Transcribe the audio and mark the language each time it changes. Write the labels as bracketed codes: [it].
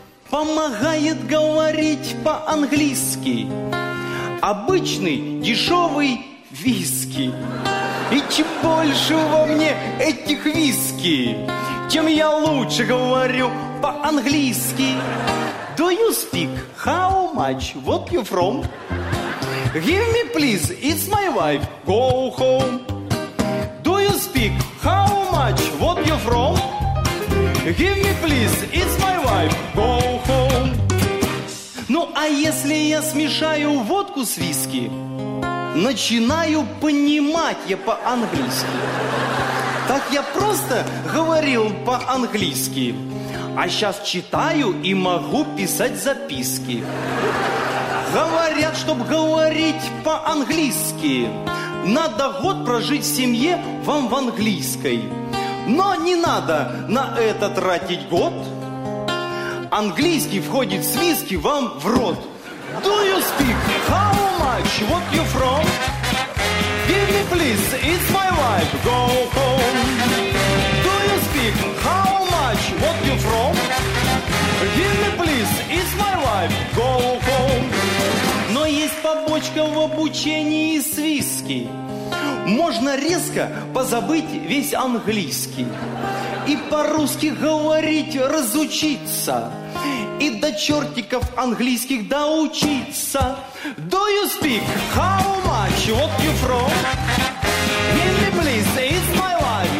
[ru] Помогает говорить по-английски обычный дешевый виски. И чем больше во мне этих виски, тем я лучше говорю по-английски. [en] Do you speak? How much? What you from? Give me please, it's my wife. Go home. Do you speak? How much? What you from? Give me please, it's my wife. Go home. [ru] Ну а если я смешаю водку с виски, начинаю понимать я по-английски. Так я просто говорил по-английски, а сейчас читаю и могу писать записки. Говорят, чтобы говорить по-английски, надо год прожить в семье вам в английской. Но не надо на это тратить год. Английский входит с виски вам в рот. [en] Do you speak? How much? What you from? Give me please, it's my wife. Go home. Do you speak? How much? What you from? Give me please, it's my wife. Go home. [ru] Но есть побочка в обучении с виски. Можно резко позабыть весь английский и по-русски говорить разучиться и до чертиков английских доучиться. [en] Do you speak? How much? What you from? Give me please, it's my life.